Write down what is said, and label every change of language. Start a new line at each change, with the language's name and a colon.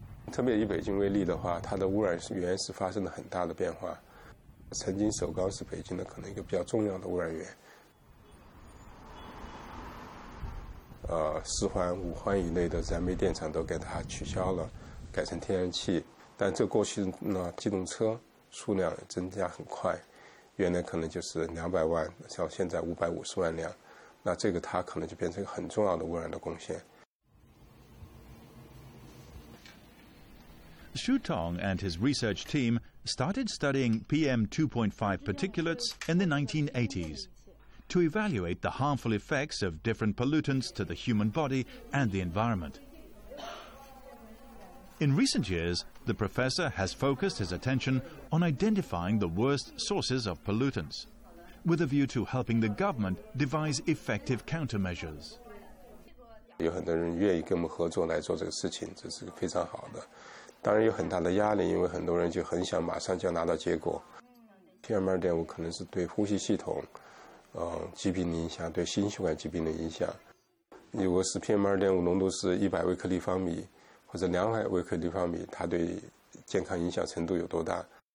Chinese: 特别以北京为例的话，它的污染源是发生的很大的变化。曾经首钢是北京的可能一个比较重要的污染源，四环五环以内的燃煤电厂都给它取消了，改成天然气。但这过去那机动车数量增加很快，原来可能就是200万，到现在550万辆，那这个它可能就变成一个很重要的污染的贡献。
English: Xu Tong and his research team started studying PM2.5 particulates in the 1980s to evaluate the harmful effects of different pollutants to the human body and the environment. In recent years, the professor has focused his attention on identifying the worst sources of pollutants, with a view to helping the government devise effective countermeasures.
Chinese: 有很多人愿意跟我们合作来做这个事情，这是非常好的。当然有很大的压力，因为很多人就很想马上就要拿到结果。 PM2.5 可能是对呼吸系统疾病的影响，对心血管疾病的影响。如果是 PM2.5 浓度是100微克立方米或者200微克立方米，它对健康影响程度有多大。